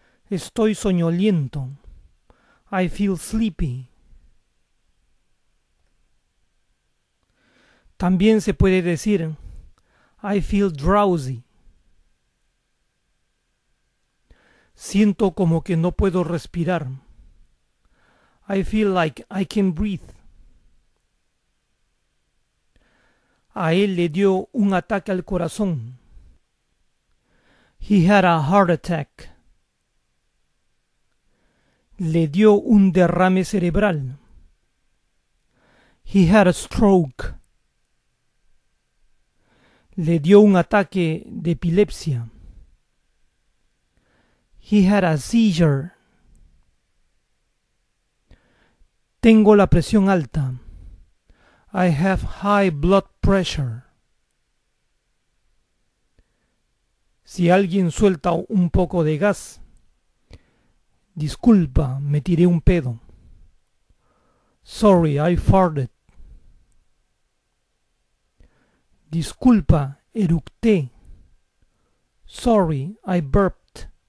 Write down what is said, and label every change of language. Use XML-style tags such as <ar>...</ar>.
<es>Estoy soñoliento.</es> <en>I feel sleepy.</en> <es>También se puede decir,</es> <en>I feel drowsy.</en> <es>Siento como que no puedo respirar.</es> <en>I feel like I can breathe.</en> <es>A él le dio un ataque al corazón.</es> <en>He had a heart attack.</en> <es>Le dio un derrame cerebral.</es> <en>He had a stroke. Le dio un ataque de epilepsia.</en> <es>He had a seizure. Tengo la presión alta.</es> <en>I have high blood pressure.</en> <es>Si alguien suelta un poco de gas, disculpa, me tiré un pedo.</es> <en>Sorry, I farted.</en> <es>Disculpa, eructé.</es> <en>Sorry, I burped.</en>